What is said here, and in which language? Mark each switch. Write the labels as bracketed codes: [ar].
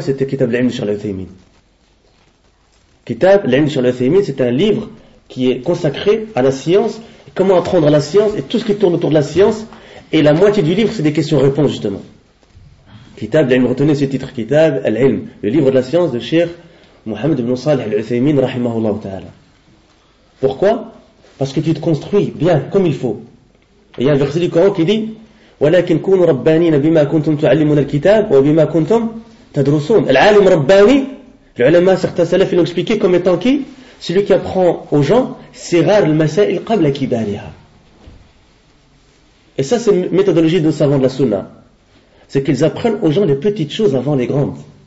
[fr] C'était Kitab al-Ilm sur l'Uthaymin. Kitab al-Ilm sur l'Uthaymin, c'est un livre qui est consacré à la science, comment apprendre la science et tout ce qui tourne autour de la science. Et la moitié du livre, c'est des questions-réponses, justement. Kitab al-Ilm, retenez ce titre, Kitab al-Ilm, le livre de la science de Cheikh Mohamed ibn Salih al-Uthaymin, rahimahullah ta'ala. Pourquoi? Parce que tu te construis bien, comme il faut. Et il y a un verset du Coran qui dit [ar] وَلَكِنْ كُونُ رَبَّانِينَ بِمَا كُنْتُمْ تُعَلِّمُونَ الْكِتَابُ وَبِمَا كُنْتُمْ تَدْرُسُونَ الْعَالِمْ رَبَّانِي. [fr] L'ulama, certains salafs l'ont expliqué comme étant qui? Celui qui apprend aux gens c'est rare le masail qabla kibariha. Et ça c'est une méthodologie de nos savants de la sunna. C'est qu'ils apprennent aux gens les petites choses avant les grandes.